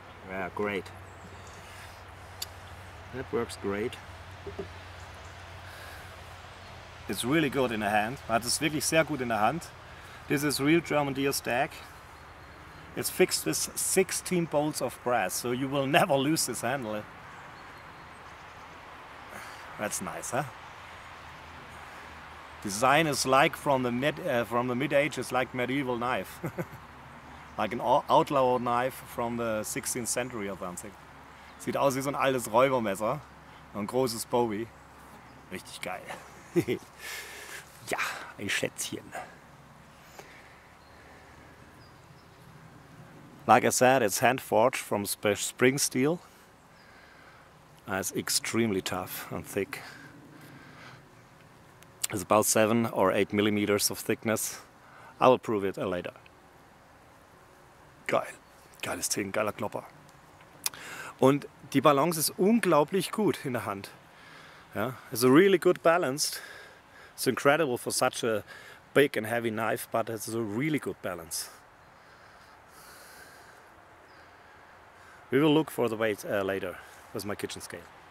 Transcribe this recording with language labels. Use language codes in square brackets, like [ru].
[en] Yeah, great. That works great. It's really good in the hand. [de] Man hat es wirklich sehr gut in der Hand. [en] This is real German deer stack. It's fixed with 16 bolts of brass, so you will never lose this handle. That's nice, huh? Design is like from the mid ages, like medieval knife, like an outlaw knife from the 16th century or something. [de] Sieht aus wie so ein altes Räubermesser, ein großes Bowie. Richtig geil. Ja, ein Schätzchen. [en] Like I said, it's hand forged from spring steel. It's extremely tough and thick. It's about 7 or 8 millimeters of thickness. I will prove it later. [de] Geil. Geiles Ding, geiler Klopper. Und die Balance ist unglaublich gut in der Hand. [en] Ja, it's a really good balanced. It's incredible for such a big and heavy knife, but it's a really good balance. We will look for the weight later with my kitchen scale.